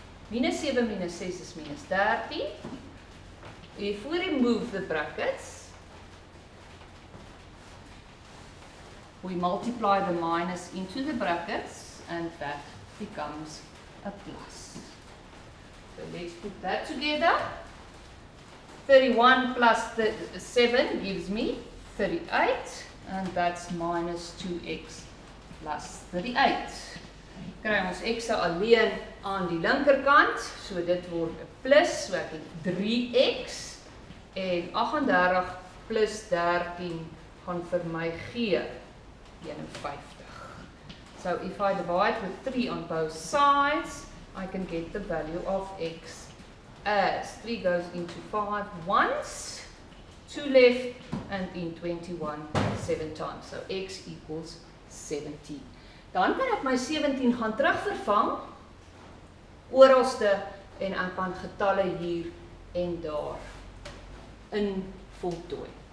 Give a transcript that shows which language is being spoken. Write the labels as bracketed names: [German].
[English] Minus 7 minus 6 is minus 13. If we remove the brackets, we multiply the minus into the brackets, and that becomes a plus. So let's put that together. 31 plus 7 gives me 38, and that's minus 2x plus 38. [Afrikaans] Kry ons x alleen aan die linkerkant, so dit word 'n plus, so ek het 3x en 38 plus 13 gaan vir my gee 51. [English] So if I divide with 3 on both sides, I can get the value of x as 3 goes into 5 once, 2 left and in 21 7 times. So x equals 17. [Afrikaans] Dan kan ek my 17 gaan terugvervang oralste en ek kan getalle hier en daar in voltooi.